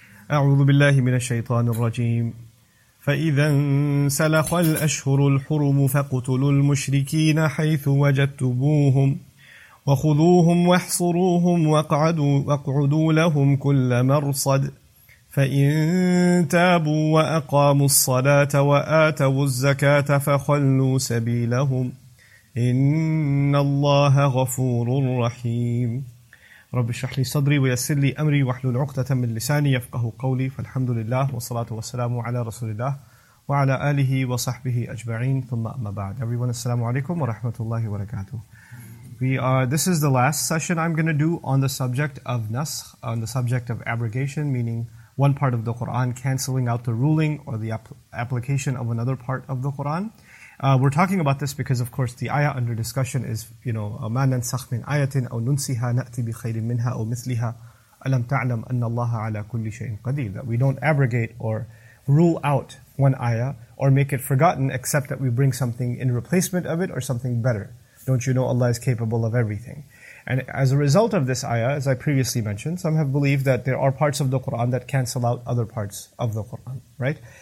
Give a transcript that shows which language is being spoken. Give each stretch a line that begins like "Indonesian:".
Arabic: أعوذ بالله من الشيطان الرجيم فإذا انسلخ الأشهر الحرم فاقتلوا المشركين حيث وجدتموهم وخذوهم واحصروهم واقعدوا لهم كل مرصد فإن تابوا وأقاموا الصلاة وآتوا الزكاة فخلوا سبيلهم إن الله غفور رحيم رب اشرح لي صدري ويسر لي امري واحلل عقدة من لساني يفقهوا قولي فالحمد لله والصلاة والسلام على رسول الله وعلى اله وصحبه اجمعين ثم اما بعد.
English: Everyone,
Arabic: السلام عليكم ورحمة الله وبركاته.
English: This is the last session I'm going to do on the subject of Naskh, on the subject of abrogation, meaning one part of the Quran canceling out the ruling or the application of another part of the Quran. We're talking about this because, of course, the ayah under discussion is, you know,
Arabic: ما ننسخ من آية أو ننسيها نأتي بخير منها أو مثلها ألم تعلم أن الله على كل شيء قدير.
English: That we don't abrogate or rule out one ayah or make it forgotten except that we bring something in replacement of it or something better. Don't you know Allah is capable of everything? And as a result of this ayah, as I previously mentioned, some have believed that there are parts of the Quran that cancel out other parts of the Quran, right?